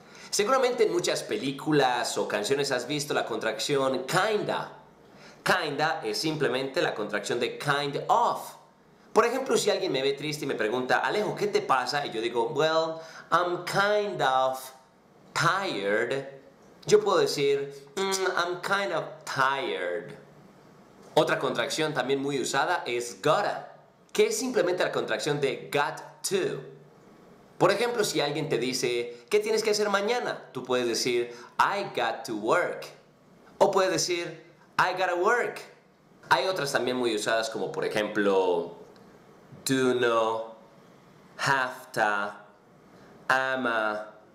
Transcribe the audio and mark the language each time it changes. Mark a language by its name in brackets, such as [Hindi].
[Spanish] Seguramente en muchas películas o canciones has visto la contracción kinda. Kinda es simplemente la contracción de kind of. Por ejemplo, si alguien me ve triste y me pregunta, Alejo, ¿qué te pasa? Y yo digo, [English] well, I'm kind of tired. [Spanish] Yo puedo decir, [English] I'm kind of tired. [Spanish] Otra contracción también muy usada es gotta, que es simplemente la contracción de got to. Por ejemplo, si alguien te dice, ¿qué tienes que hacer mañana? Tú puedes decir, [English] I got to work. [Spanish] O puedes decir, [English] I gotta work. [Spanish] Hay otras también muy usadas como, por ejemplo, do no, have to, ama.